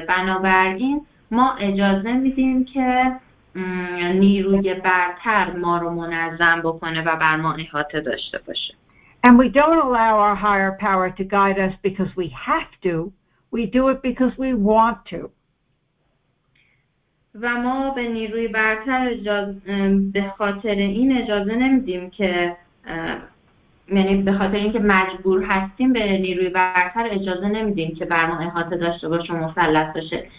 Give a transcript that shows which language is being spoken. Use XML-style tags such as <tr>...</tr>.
<fa>بنابراین ما اجازه میدیم که نیروی برتر ما رو منظم بکنه و بر ما احاطه داشته باشه.</fa> <en>And we don't allow our higher power to guide us because we have to. We do it because we want to.</en> <fa>و ما به نیروی برتر به خاطر این اجازه نمیدیم که یعنی به خاطر اینکه مجبور هستیم به نیروی برتر اجازه نمیدیم که بر ما احاطه داشته باشه و مسلط باشه.</fa>